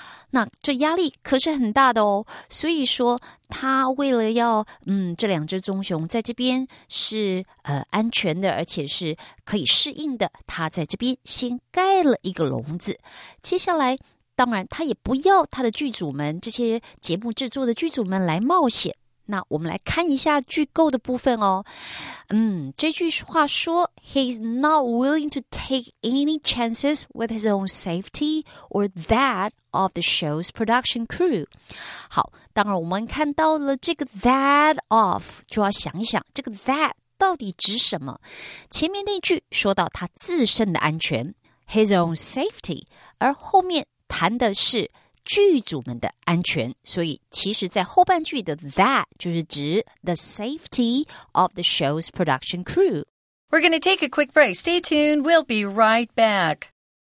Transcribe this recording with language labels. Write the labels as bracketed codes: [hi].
[zh] 那这压力可是很大的哦，所以说他为了要这两只棕熊在这边是安全的，而且是可以适应的，他在这边先盖了一个笼子。接下来当然他也不要他的剧组们，这些节目制作的剧组们来冒险。那我们来看一下句构的部分哦。这句话说 [en] He's not willing to take any chances with his own safety or that of the show's production crew. [zh] 好，当然我们看到了这个 that of， 就要想一想这个 that 到底指什么。前面那句说到他自身的安全 [en] His own safety， [zh] 而后面谈的是剧组们的安全，所以其实在后半句的 that 就是指 [en] the safety of the show's production crew. We're going to take a quick break. Stay tuned. We'll be right back.